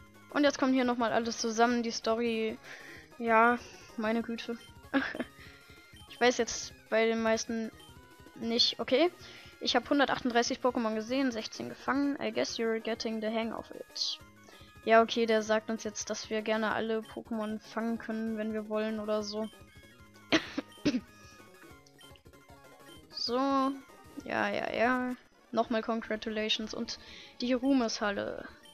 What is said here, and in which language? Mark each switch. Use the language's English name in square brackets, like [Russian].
[German] Und jetzt kommen hier nochmal alles zusammen, die Story. Ja, meine Güte. Ich weiß jetzt bei den meisten nicht. Okay, ich habe 138 Pokémon gesehen, 16 gefangen. [English] I guess you're getting the hang of it. [German] Ja, okay, der sagt uns jetzt, dass wir gerne alle Pokémon fangen können, wenn wir wollen oder so. So, ja, ja, ja. Nochmal Congratulations und die Ruhmeshalle.